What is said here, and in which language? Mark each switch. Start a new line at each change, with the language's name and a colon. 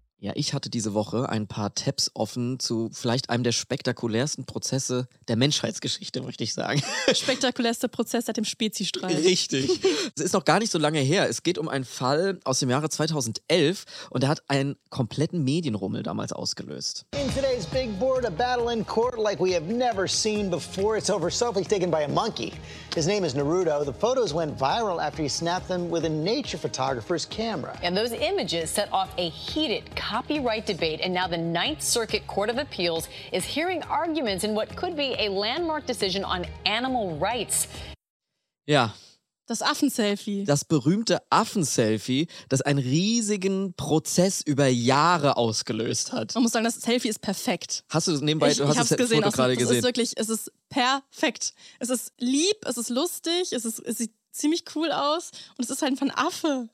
German: Ja, ich hatte diese Woche ein paar Tabs offen zu vielleicht einem der spektakulärsten Prozesse der Menschheitsgeschichte, möchte ich sagen. Spektakulärster Prozess seit dem Spezi-Streit. Richtig. Es ist noch gar nicht so lange her. Es geht um einen Fall aus dem Jahre 2011 und der hat einen kompletten Medienrummel damals ausgelöst.
English: In today's big board, a battle in court like we have never seen before. It's over selfies taken by a monkey. His name is Naruto. The photos went viral after he snapped them with a nature photographer's camera. And those images set off a heated copyright debate, and now the Ninth Circuit Court of Appeals is hearing arguments in what could be a landmark decision on animal rights.
German: Ja. Das Affenselfie. Das berühmte Affenselfie, das einen riesigen Prozess über Jahre ausgelöst hat. Man muss sagen, das Selfie ist perfekt. Hast du nebenbei ich, hast ich hab's das Foto gerade gesehen? Ist wirklich, es ist perfekt. Es ist lieb, es ist lustig, es sieht ziemlich cool aus und es ist halt ein Affe.